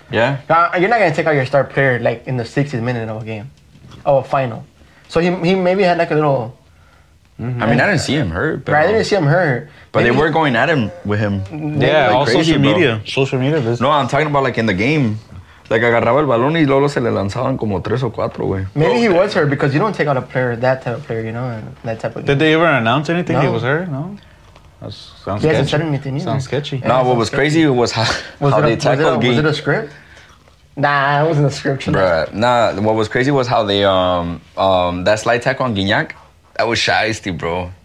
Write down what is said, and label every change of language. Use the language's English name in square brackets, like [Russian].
[English] Yeah? You're not going to take out your star player, like, in the 60th minute of a game. Oh, a final. So he maybe had, like, a little... Mm-hmm. I mean, I didn't see him hurt. But right, I didn't see him hurt. But maybe they were going at him with him. Yeah, like, all crazy, social media. Bro. Social media business. No, I'm talking about, like, in the game. [Spanish] Like, agarraba el balón y luego se le lanzaban como tres o cuatro, güey. [English] Maybe he was hurt because you don't take out a player, that type of player, you know, that type of game. Did they ever announce anything? No. He was hurt? No. He hasn't said anything either. Sounds sketchy. No, yeah, what was sketchy. Crazy was how they tackled Gui. Was it a script? Nah, it wasn't a script. Bruh, nah, what was crazy was how they, that slide tackle on Guignac, that was shiesty, bro.